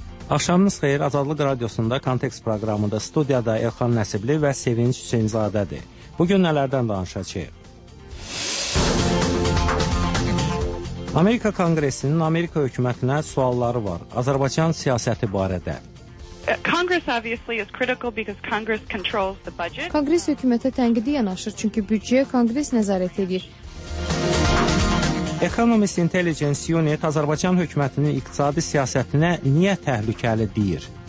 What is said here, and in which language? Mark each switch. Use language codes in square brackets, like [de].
[az] Axşamınız xeyir, Azadlıq Radiosunda Kontekst proqramında studiyada Elxan Nəsibli və Sevinç Hüseynzadədir. Bugün nələrdən danışacağıq? Amerika Kongresinin Amerika hökumətinə sualları var. Azərbaycan siyasəti barədə. [en] Congress obviously is critical because Congress controls the budget. [az] Kongres hökumətə tənqidi yanaşır, çünki büdcəyə Kongres nəzarət edir. Economist Intelligence Unit Azərbaycan hökumətinin iqtisadi siyasətinə niyə təhlükəli deyir?